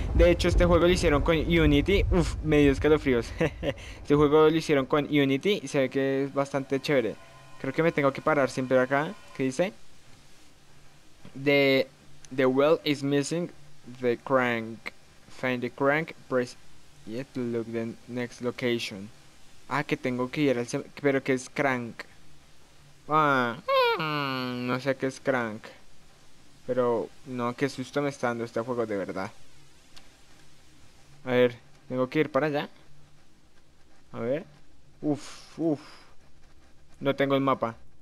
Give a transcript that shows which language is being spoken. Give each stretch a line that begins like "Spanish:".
Spanish: De hecho, este juego lo hicieron con Unity. Uf, me dio escalofríos. Este juego lo hicieron con Unity y se ve que es bastante chévere. Creo que me tengo que parar siempre acá. ¿Qué dice?
English: The well is missing the crank. Find the crank, press yet to look the next location.
Spanish: Ah, que tengo que ir al pero que es crank. Ah, no sé qué es crank. Pero no, qué susto me está dando este juego de verdad. A ver, tengo que ir para allá. A ver. Uf. No tengo el mapa.